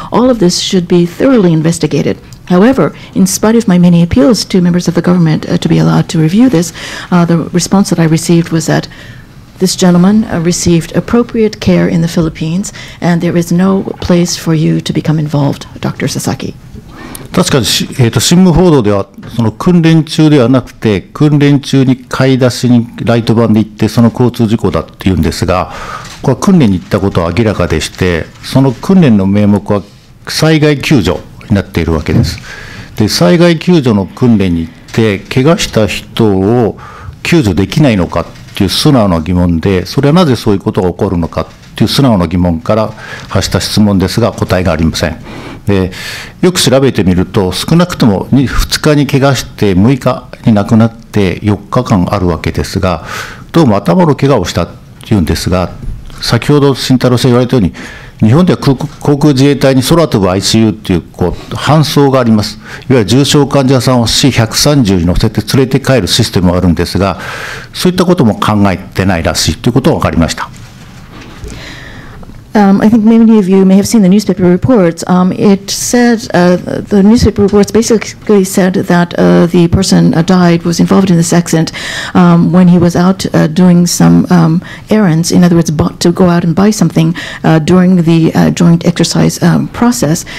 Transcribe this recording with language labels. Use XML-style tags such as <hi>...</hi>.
<en>All of this should be thoroughly investigated. However, in spite of my many appeals to members of the government to be allowed to review this, the response that I received was that this gentleman received appropriate care in the Philippines, and there is no place for you to become involved, Dr. Sasaki.</en> <ja>確かに、新聞報道では、その訓練中ではなくて、訓練中に買い出しにライトバンで行って、その交通事故だっていうんですが、これは訓練に行ったことは明らかでして、その訓練の名目は災害救助になっているわけです。で、災害救助の訓練に行って、怪我した人を救助できないのか、という素直な疑問で、それはなぜそういうことが起こるのかという素直な疑問から発した質問ですが、答えがありません。で、よく調べてみると、少なくとも 2日に怪我して、6日に亡くなって4日間あるわけですが、どうも頭の怪我をしたというんですが、先ほど慎太郎さん言われたように、日本では航空自衛隊に空飛ぶ ICU という、 こう搬送があります。いわゆる重症患者さんを C-130 に乗せて連れて帰るシステムがあるんですが、そういったことも考えてないらしいということが分かりました。</ja> <en>I think many of you may have seen the newspaper reports. It said, the newspaper reports basically said that the person died, was involved in this accident when he was out doing some errands, in other words, to go out and buy something during the joint exercise process.</en>